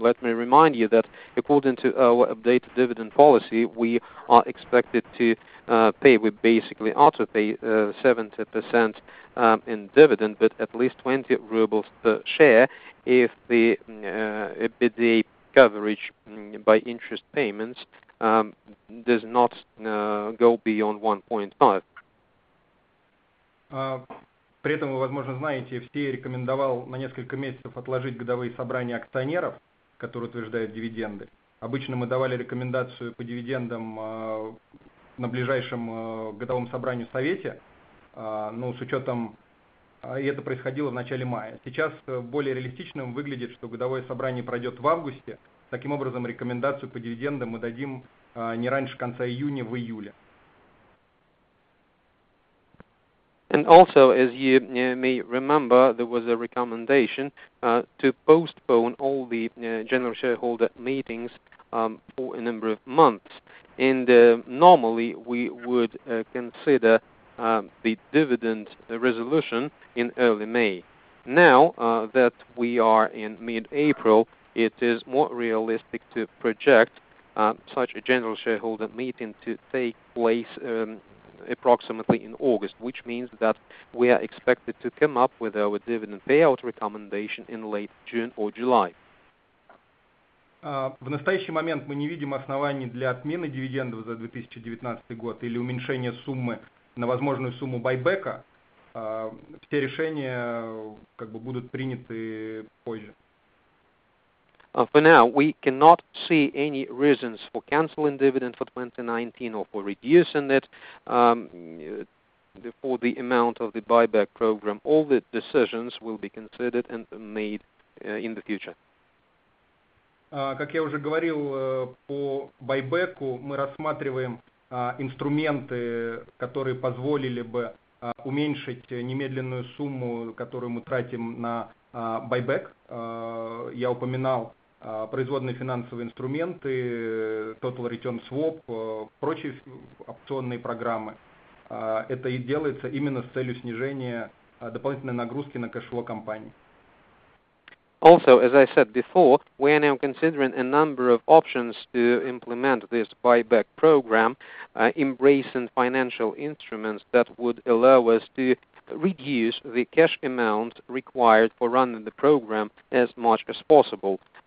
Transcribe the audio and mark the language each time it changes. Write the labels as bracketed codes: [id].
[en] Let me remind you that according to our updated dividend policy, we are expected to pay, we basically ought to pay 70% in dividend, but at least 20 rubles per share if the EBITDA coverage by interest payments does not go beyond 1.5. [ru] При этом вы, возможно, знаете, FCA рекомендовал на несколько месяцев отложить годовые собрания акционеров, которые утверждают дивиденды. Обычно мы давали рекомендацию по дивидендам на ближайшем годовом собрании в Совете, но с учетом, и это происходило в начале мая. Сейчас более реалистичным выглядит, что годовое собрание пройдет в августе. Таким образом, рекомендацию по дивидендам мы дадим не раньше конца июня, в июле. [en] And also, as you may remember, there was a recommendation to postpone all the general shareholder meetings for a number of months. And normally, we would consider the dividend resolution in early May. Now that we are in mid-April, it is more realistic to project such a general shareholder meeting to take place approximately in August, which means that we are expected to come up with our dividend payout recommendation in late June or July. [ru] В настоящий момент мы не видим оснований для отмены дивидендов за 2019 год или уменьшения суммы на возможную сумму байбека. Все решения как бы будут приняты позже. [en] For now, we cannot see any reasons for canceling dividend for 2019 or for reducing it for the amount of the buyback program. All the decisions will be considered and made in the future. [ru] Как я уже говорил, по байбеку мы рассматриваем инструменты, которые позволили бы уменьшить немедленную сумму, которую мы тратим на байбек. Я упоминал производные финансовые инструменты, Total Return Swap, прочие опционные программы. это и делается именно с целью снижения дополнительной нагрузки на кэшфлоу компании. [en] Also, as I said before, we are now considering a number of options to implement this buyback program, embracing financial instruments that would allow us to reduce the cash amount required for running the program as much as possible.